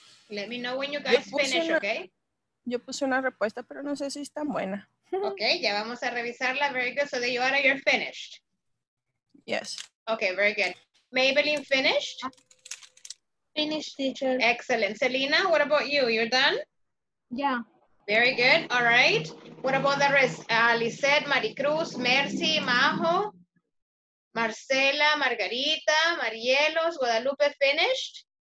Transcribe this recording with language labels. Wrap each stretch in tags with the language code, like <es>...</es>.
<en>Let me know when you guys finish, okay?</en> <es>Yo puse una respuesta, pero no sé si es tan buena. Okay, ya vamos a revisarla.</es> <en>Very good. So that you are, you're finished. Yes. Okay, very good. Maybelline finished? Finished, teacher. Excellent. Selena, what about you? You're done? Yeah. Very good. All right. What about the rest? Lizette, Maricruz, Mercy, Majo, Marcela, Margarita, Marielos, Guadalupe finished?</en>